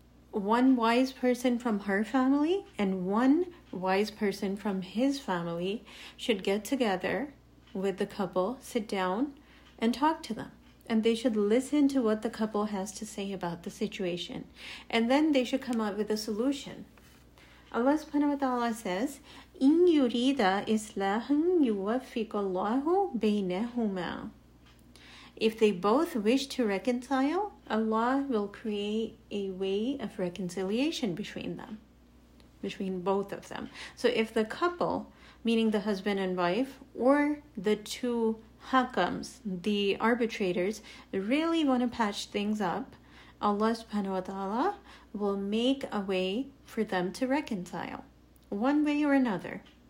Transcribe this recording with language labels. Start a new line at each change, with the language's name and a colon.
English: One wise person from her family and one wise person from his family should get together with the couple, sit down, and talk to them. And they should listen to what the couple has to say about the situation. And then they should come up with a solution. Allah subhanahu wa ta'ala says,
Arabic: إِنْ يُرِيدَ إِسْلَاحًا يُوَفِّقَ اللَّهُ بَيْنَهُمَا.
English: If they both wish to reconcile, Allah will create a way of reconciliation between them, between both of them. So if the couple, meaning the husband and wife, or the two hakams, the arbitrators, really want to patch things up, Allah subhanahu wa ta'ala will make a way for them to reconcile, one way or another.